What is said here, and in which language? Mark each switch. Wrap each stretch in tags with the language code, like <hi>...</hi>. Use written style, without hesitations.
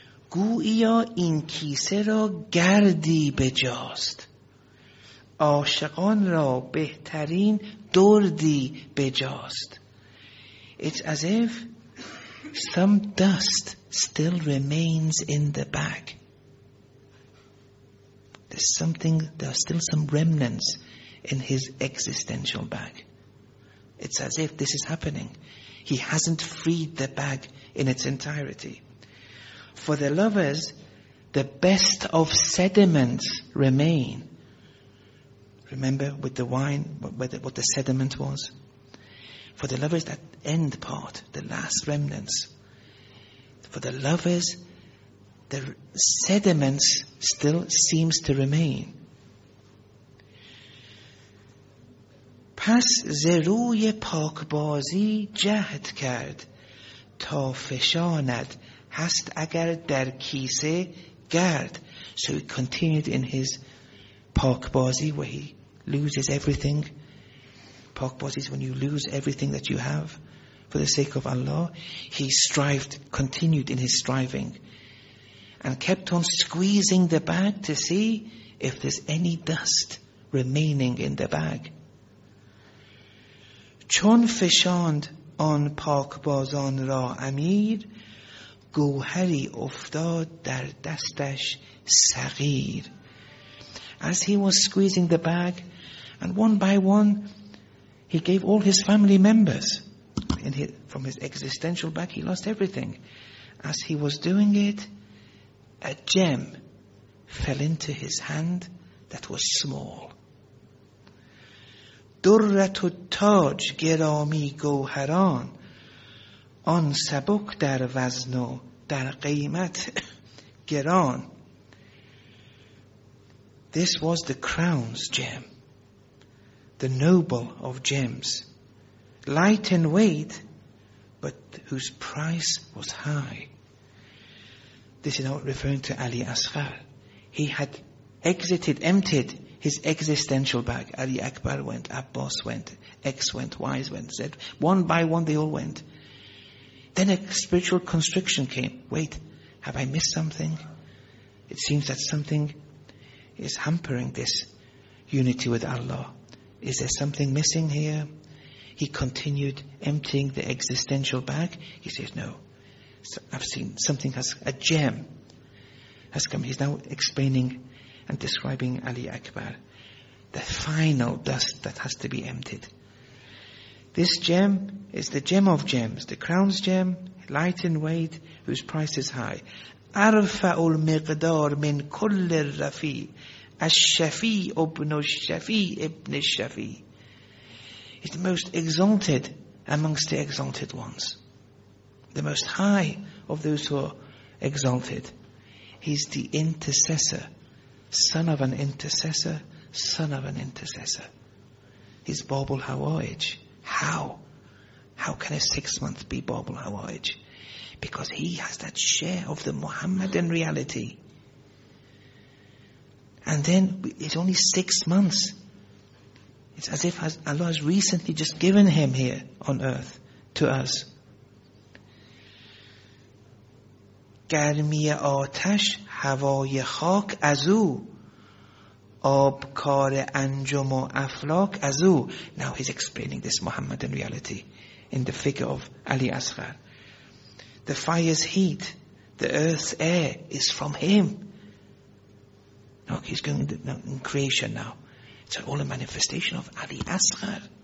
<fa>گویا این کیسه را گردی بجاست. عاشقان را بهترین دردی بجاست.</fa> <en>It's as if some dust still remains in the bag. There's something, there are still some remnants in his existential bag. It's as if this is happening. He hasn't freed the bag in its entirety. For the lovers, the best of sediments remain. Remember with the wine, what the sediment was? For the lovers, that end part, the last remnants. For the lovers, the sediments still seems to remain.</en> <fa>پس زروی پاکبازی جهد کرد تا فشاند هست اگر در کیسه گرد.</fa> <en>So he continued in his پاکبازی, where he loses everything. Pakbazi is when you lose everything that you have for the sake of Allah. He strived, continued in his striving. and kept on squeezing the bag to see if there's any dust remaining in the bag.</en> <fa>چون فشاند آن پاکبازان را امیر، گوهری افتاد در دستش صغیر.</fa> <en>As he was squeezing the bag, and one by one, he gave all his family members. From his existential bag, he lost everything. As he was doing it, a gem fell into his hand that was small.</en> <fa>درت و تاج گرامی گوهران، آن سبک در وزن و در قیمت گران.</fa> <en>This was the crown's gem, the noble of gems, light in weight, but whose price was high. This is not referring to Ali Asghar. He had emptied his existential bag. Ali Akbar went, Abbas went, X went, Y's went, Z. One by one they all went. Then a spiritual constriction came. Wait, have I missed something? It seems that something is hampering this unity with Allah. Is there something missing here? He continued emptying the existential bag. He says, no. So I've seen something has, a gem has come. He's now explaining and describing Ali Akbar, the final dust that has to be emptied. This gem is the gem of gems, the crown's gem, light in weight, whose price is high.</en> <ar>أرفع المقدار من كل الرفيع الشفيع ابن الشفيع ابن الشفيع.</ar> <en>It's the most exalted amongst the exalted ones, the most high of those who are exalted. He's the intercessor, son of an intercessor, son of an intercessor. He's Bab al-Hawaij. How can a 6 month be Bab al-Hawaij? Because he has that share of the Muhammadan reality. And then it's only 6 months. It's as if Allah has recently just given him here on earth to us.</en> <fa>گرمی آتش هوای خاک از او، آبکار انجم و افلاک از او.</fa> <en>Now he's explaining this Muhammadan reality in the figure of Ali Asghar. The fire's heat, the earth's air is from him. Now he's going in creation now. It's all a manifestation of Ali Asghar.</en>